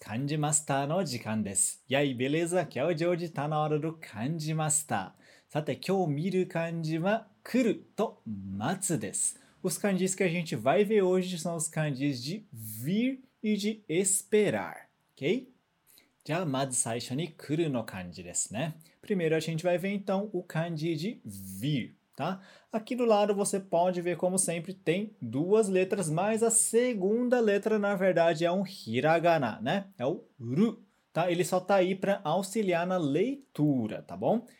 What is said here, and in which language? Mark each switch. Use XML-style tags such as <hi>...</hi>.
<ja>漢字マスターの時間です。やい、ベレーザ、今日ジョージ、頼われる漢字マスター。さて、今日見る漢字は、来ると待つです。</ja> <pt>Os kanjis que a gente vai ver hoje são os kanjis de vir e de esperar. Ok?</pt> <ja>じゃあ、まず最初に来るの漢字ですね。</ja> <pt>Primeiro, a gente vai ver, então, o kanji de vir. Tá? Aqui do lado você pode ver, como sempre, tem duas letras, mas a segunda letra, na verdade, é um hiragana, né? É o ru, tá? Ele só está aí para auxiliar na leitura, tá bom?</pt>